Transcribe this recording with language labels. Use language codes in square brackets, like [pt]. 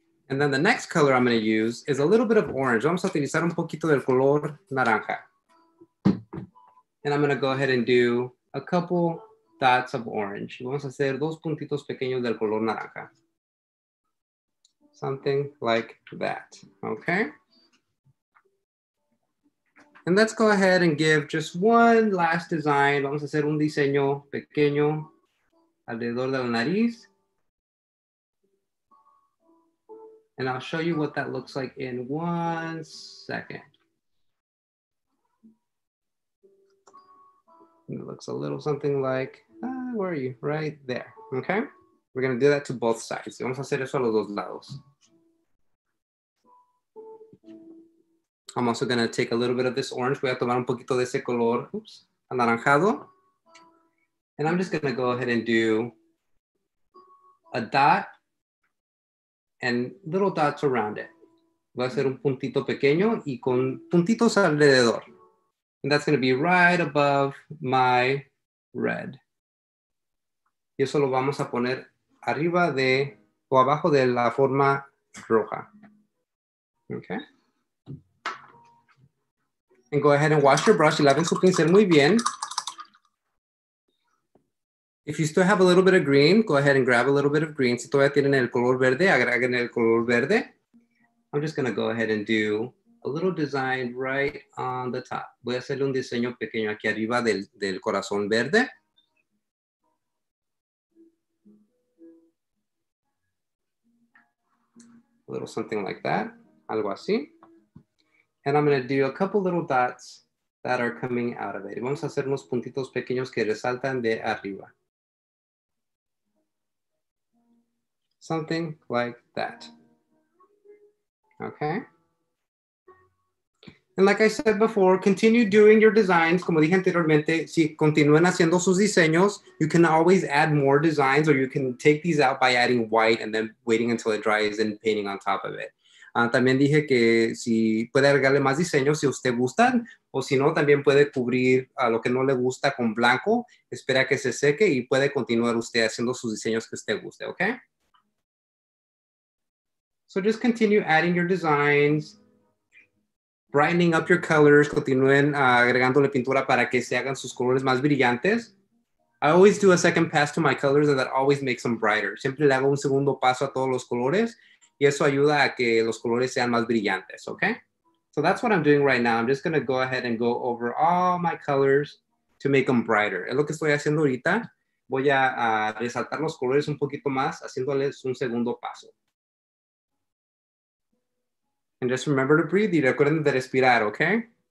[en] And then the next color I'm gonna use is a little bit of orange. [es] Vamos a utilizar un poquito del color naranja. [en] And I'm gonna go ahead and do a couple dots of orange. [es] Vamos a hacer 2 puntitos pequeños del color naranja. [en] Something like that, okay? And let's go ahead and give just one last design. [es] Vamos a hacer un diseño pequeño alrededor de la nariz. [en] And I'll show you what that looks like in 1 second. It looks a little something like, where are you? Right there. Okay. We're going to do that to both sides. [es] Vamos a hacer eso a los dos lados. [en] I'm also going to take a little bit of this orange. [es] Voy a tomar un poquito de ese color. Oops. Anaranjado. [en] And I'm just going to go ahead and do a dot and little dots around it. [es] Voy a hacer un puntito pequeño y con puntitos alrededor. [en] And that's going to be right above my red. [es] Y eso lo vamos a poner arriba de o abajo de la forma roja. [en] Okay. And go ahead and wash your brush. [es] Y laven su pincel muy bien. [en] If you still have a little bit of green, go ahead and grab a little bit of green. [es] Si todavía tienen el color verde, agreguen el color verde. [en] I'm just going to go ahead and do a little design right on the top. [es] Voy a hacerle un diseño pequeño aquí arriba del corazón verde. [en] A little something like that, [es] algo así. [en] And I'm going to do a couple little dots that are coming out of it. [es] Y vamos a hacer unos puntitos pequeños que resaltan de arriba. [en] Something like that. Okay. And like I said before, continue doing your designs. [es] Como dije anteriormente, si continúan haciendo sus diseños, [en] you can always add more designs or you can take these out by adding white and then waiting until it dries and painting on top of it. [es] También dije que si puede agregarle más diseños si usted gusta, o si no, también puede cubrir a lo que no le gusta con blanco, espera que se seque y puede continuar usted haciendo sus diseños que usted guste, okay? [en] So just continue adding your designs. Brightening up your colors, [es] continúen agregándole pintura para que se hagan sus colores más brillantes. [en] I always do a second pass to my colors and that always makes them brighter. [es] Siempre le hago un segundo paso a todos los colores y eso ayuda a que los colores sean más brillantes, okay? [en] So that's what I'm doing right now. I'm just gonna go ahead and go over all my colors to make them brighter. [es] Es lo que estoy haciendo ahorita. Voy a resaltar los colores un poquito más haciéndoles un segundo paso. [en] And just remember to breathe [es] y recuerden de respirar, [en] okay?